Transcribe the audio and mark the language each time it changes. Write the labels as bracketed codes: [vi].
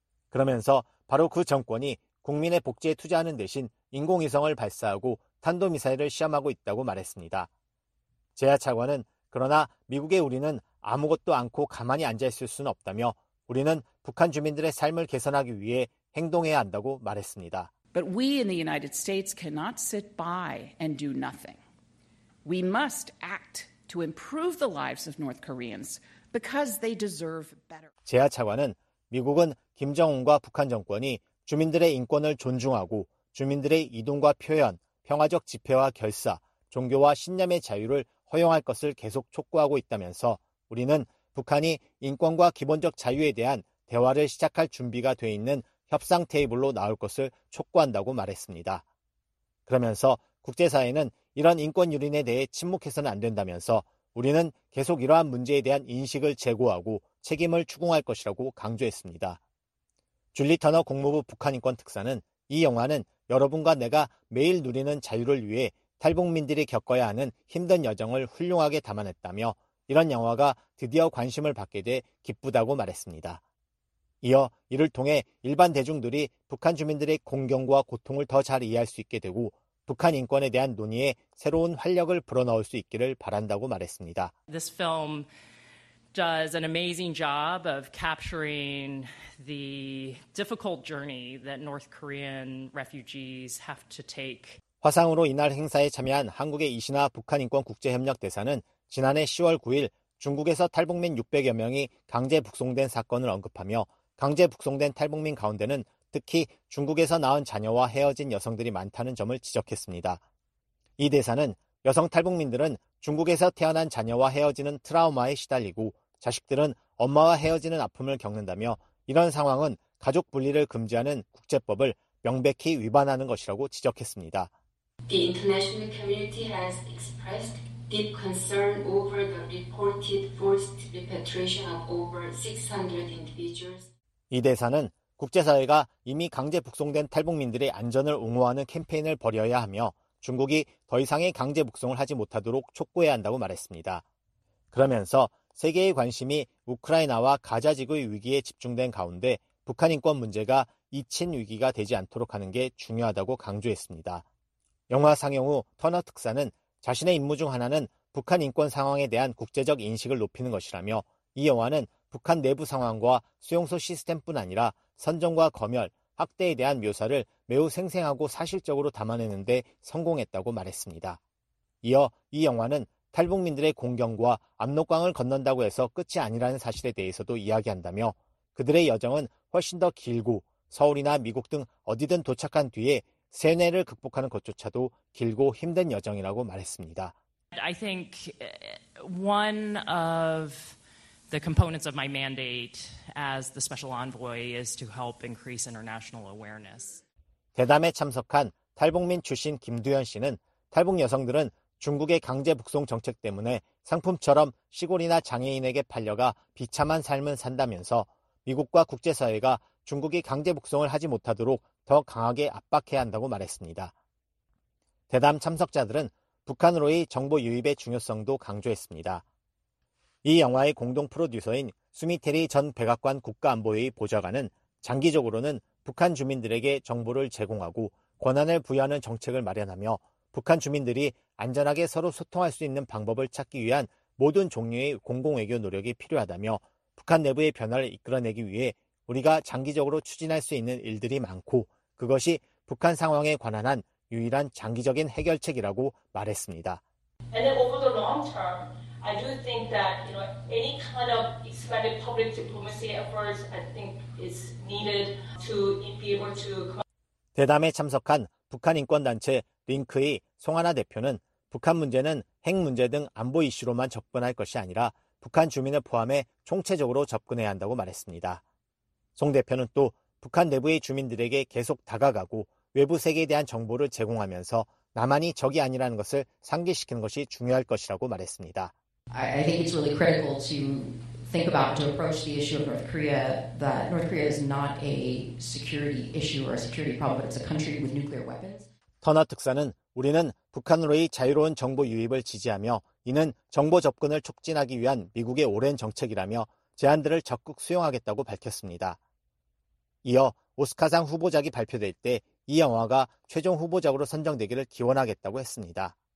[ko] 그러면서 바로 그 정권이 국민의 복지에 투자하는 대신 인공위성을 발사하고 탄도미사일을 시험하고 있다고 말했습니다. 제야 차관은 그러나 미국의 우리는 아무것도 않고 가만히 앉아있을 수는 없다며 우리는 북한 주민들의 삶을 개선하기 위해 행동해야 한다고 말했습니다. [en] But we in the United States cannot sit by and do nothing. We must act to improve the lives of North Koreans because they deserve better. [ko] 제야 차관은 미국은 김정은과 북한 정권이 주민들의 인권을 존중하고 주민들의 이동과 표현, 평화적 집회와 결사, 종교와 신념의 자유를 허용할 것을 계속 촉구하고 있다면서 우리는 북한이 인권과 기본적 자유에 대한 대화를 시작할 준비가 돼 있는 협상 테이블로 나올 것을 촉구한다고 말했습니다. 그러면서 국제사회는 이런 인권 유린에 대해 침묵해서는 안 된다면서 우리는 계속 이러한 문제에 대한 인식을 제고하고 책임을 추궁할 것이라고 강조했습니다. 줄리 터너 국무부 북한인권특사는 이 영화는 여러분과 내가 매일 누리는 자유를 위해 탈북민들이 겪어야 하는 힘든 여정을 훌륭하게 담아냈다며 이런 영화가 드디어 관심을 받게 돼 기쁘다고 말했습니다. 이어 이를 통해 일반 대중들이 북한 주민들의 공경과 고통을 더 잘 이해할 수 있게 되고 북한 인권에 대한 논의에 새로운 활력을 불어넣을 수 있기를 바란다고 말했습니다. [en] This film does an amazing job of capturing the difficult journey that North Korean refugees have to take. [ko] 화상으로 이날 행사에 참여한 한국의 이신하 북한인권국제협력대사는 지난해 10월 9일 중국에서 탈북민 600여 명이 강제 북송된 사건을 언급하며 강제 북송된 탈북민 가운데는 특히 중국에서 낳은 자녀와 헤어진 여성들이 많다는 점을 지적했습니다. 이 대사는 여성 탈북민들은 중국에서 태어난 자녀와 헤어지는 트라우마에 시달리고 자식들은 엄마와 헤어지는 아픔을 겪는다며 이런 상황은 가족 분리를 금지하는 국제법을 명백히 위반하는 것이라고 지적했습니다. [en] The international community has expressed deep concern over the reported forced repatriation of over 600 individuals. [ko] 이 대사는 국제사회가 이미 강제 북송된 탈북민들의 안전을 옹호하는 캠페인을 벌여야 하며 중국이 더 이상의 강제 북송을 하지 못하도록 촉구해야 한다고 말했습니다. 그러면서 세계의 관심이 우크라이나와 가자지구의 위기에 집중된 가운데 북한 인권 문제가 2층 위기가 되지 않도록 하는 게 중요하다고 강조했습니다. 영화 상영 후 터너 특사는 자신의 임무 중 하나는 북한 인권 상황에 대한 국제적 인식을 높이는 것이라며 이 영화는 북한 내부 상황과 수용소 시스템뿐 아니라 선정과 검열, 학대에 대한 묘사를 매우 생생하고 사실적으로 담아내는 데 성공했다고 말했습니다. 이어 이 영화는 탈북민들의 공경과 압록강을 건넌다고 해서 끝이 아니라는 사실에 대해서도 이야기한다며 그들의 여정은 훨씬 더 길고 서울이나 미국 등 어디든 도착한 뒤에 세뇌를 극복하는 것조차도 길고 힘든 여정이라고 말했습니다. [en] I think one of the components of my mandate as the special envoy is to help increase international awareness. [ko] 대담에 참석한 탈북민 출신 김두현 씨는 탈북 여성들은 중국의 강제 북송 정책 때문에 상품처럼 시골이나 장애인에게 팔려가 비참한 삶을 산다면서 미국과 국제사회가 중국이 강제 북송을 하지 못하도록 더 강하게 압박해야 한다고 말했습니다. 대담 참석자들은 북한으로의 정보 유입의 중요성도 강조했습니다. 이 영화의 공동 프로듀서인 수미테리 전 백악관 국가안보회의 보좌관은 장기적으로는 북한 주민들에게 정보를 제공하고 권한을 부여하는 정책을 마련하며 북한 주민들이 안전하게 서로 소통할 수 있는 방법을 찾기 위한 모든 종류의 공공외교 노력이 필요하다며 북한 내부의 변화를 이끌어내기 위해 우리가 장기적으로 추진할 수 있는 일들이 많고 그것이 북한 상황에 관한한 유일한 장기적인 해결책이라고 말했습니다. [en] And then over the long term, I do think that you know any kind of expanded public diplomacy efforts I think is needed to be able to [ko] 대담에 참석한 북한 인권 단체 링크의 송하나 대표는 북한 문제는 핵 문제 등 안보 이슈로만 접근할 것이 아니라 북한 주민을 포함해 총체적으로 접근해야 한다고 말했습니다. 송 대표는 또 북한 내부의 주민들에게 계속 다가가고 외부 세계에 대한 정보를 제공하면서 나만이 적이 아니라는 것을 상기시키는 것이 중요할 것이라고 말했습니다. [en] I think it's really critical to think about to approach the issue of North Korea that North Korea is not a security issue or a security problem, but it's a country with nuclear weapons. [ko] 터너 특사는 우리는 북한으로의 자유로운 정보 유입을 지지하며 이는 정보 접근을 촉진하기 위한 미국의 오랜 정책이라며 제안들을 적극 수용하겠다고 밝혔습니다. 이어 오스카상 후보작이 발표될 때 이 영화가 최종 후보작으로 선정되기를 기원하겠다고 했습니다.